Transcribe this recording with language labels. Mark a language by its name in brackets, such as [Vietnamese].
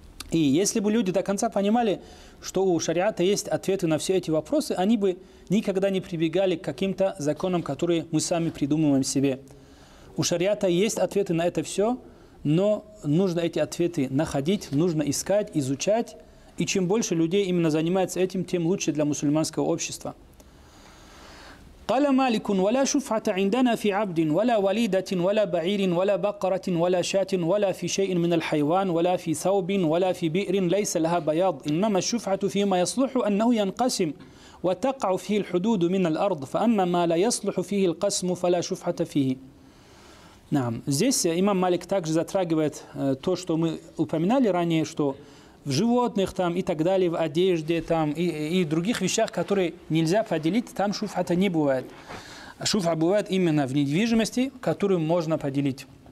[Russian] И если бы люди до конца понимали, что у шариата есть ответы на все эти вопросы, они бы никогда не прибегали к каким-то законам, которые мы сами придумываем себе. У шариата есть ответы на это все, но нужно эти ответы находить, нужно искать, изучать. И чем больше людей именно занимается этим, тем лучше для мусульманского общества. [Arabic] قال مالك ولا شفعة عندنا في عبد ولا وليدة ولا بعير ولا بقرة ولا شاة ولا في شيء من الحيوان ولا في ثوب ولا في بئر ليس لها بياض إنما الشفعة فيما يصلح أنه ينقسم وتقع فيه الحدود من الأرض فأما ما لا يصلح فيه القسم فلا شفعة فيه. نعم. [Russian] Здесь имам Малик также затрагивает то, что мы упоминали ранее, что в животных там и так далее, в одежде там и других вещах, которые нельзя поделить, там шуфа-то не бывает. Шуфа бывает именно в недвижимости, которую можно поделить.